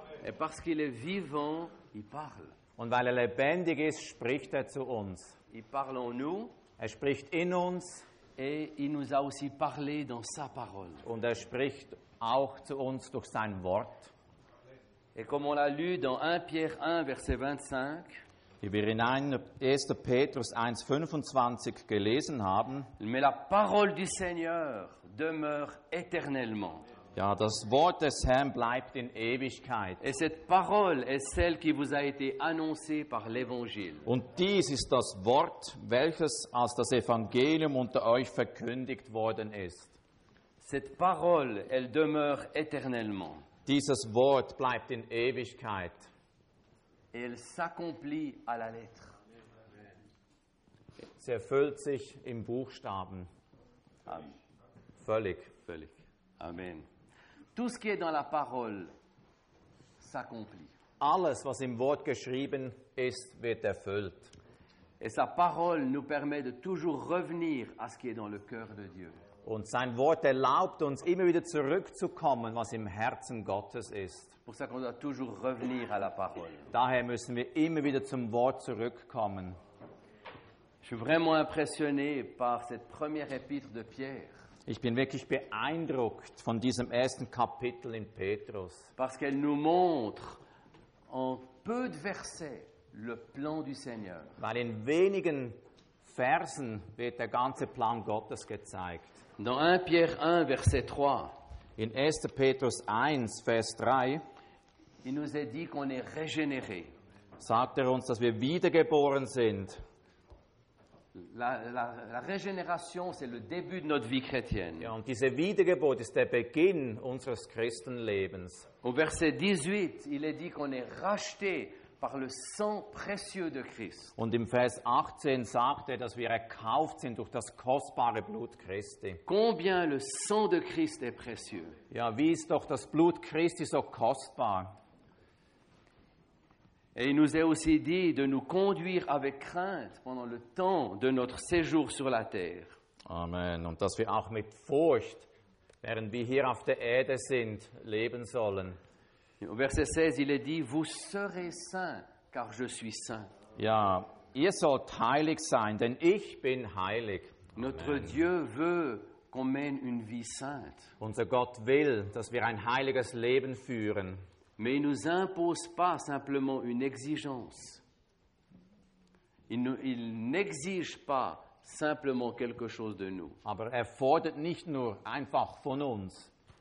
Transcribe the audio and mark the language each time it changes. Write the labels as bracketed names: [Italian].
[French] Et parce qu'il est vivant, il parle. [German] Und weil er lebendig ist, spricht er zu uns. [French] Il parle en nous. [German] Er spricht in uns. [French] Et il nous a aussi parlé dans sa parole. [German] Und er spricht auch zu uns durch sein Wort. [French] Et comme on l'a lu dans 1 Pierre 1, verset 25. [German] Wie wir in 1. Petrus 1,25 gelesen haben. [French] Mais la parole du Seigneur demeure éternellement. [German] Ja, das Wort des Herrn bleibt in Ewigkeit. [French] Et cette parole est celle qui vous a été annoncée par l'Évangile. [German] Und dies ist das Wort, welches als das Evangelium unter euch verkündigt worden ist. [French] Cette parole, elle demeure éternellement. [German] Dieses Wort bleibt in Ewigkeit. [French] Et elle s'accomplit à la lettre. [German] Sie erfüllt sich im Buchstaben. Amen. Völlig. Völlig. Amen. [French] Tout ce qui est dans la parole s'accomplit. [German] Alles, was im Wort geschrieben ist, wird erfüllt. [French] Et sa parole nous permet de toujours revenir à ce qui est dans le cœur de Dieu. [German] Und sein Wort erlaubt uns, immer wieder zurückzukommen, was im Herzen Gottes ist. [French] Pour ça qu'on doit toujours revenir à la parole. [German] Daher müssen wir immer wieder zum Wort zurückkommen. [French] Je suis vraiment impressionné par cette première épître de Pierre. [German] Ich bin wirklich beeindruckt von diesem ersten Kapitel in Petrus. [French] Parce qu'elle nous montre en peu de versets le plan du Seigneur. [German] Weil in wenigen Versen wird der ganze Plan Gottes gezeigt. [French] Dans 1 Pierre 1, verset 3. [German] In 1. Petrus 1, Vers 3. [French] Il nous est dit qu'on est régénéré. [German] Sagt er uns, dass wir wiedergeboren sind. [French] La régénération, c'est le début de notre vie chrétienne. [German] Ja, und diese Wiedergeburt ist der Beginn unseres Christenlebens. [French] Au verset 18, il est dit qu'on est racheté par le sang précieux de Christ. [German] Und im Vers 18 sagt er, dass wir erkauft sind durch das kostbare Blut Christi. [French] Combien le sang de Christ est précieux. [German] Ja, wie ist doch das Blut Christi so kostbar? [French] Et il nous est aussi dit de nous conduire avec crainte pendant le temps de notre séjour sur la terre. Amen. [German] Und dass wir auch mit Furcht, während wir hier auf der Erde sind, leben sollen. [French] Au verset 16, il est dit, vous serez saints, car je suis saint. [German] Ja, ihr sollt heilig sein, denn ich bin heilig. [French] Notre Amen. Dieu veut qu'on mène une vie sainte. [German] Unser Gott will, dass wir ein heiliges Leben führen. [French] Mais il nous impose pas simplement une exigence. Il n'exige pas simplement quelque chose de nous. [German] Aber er fordert nicht nur einfach von uns.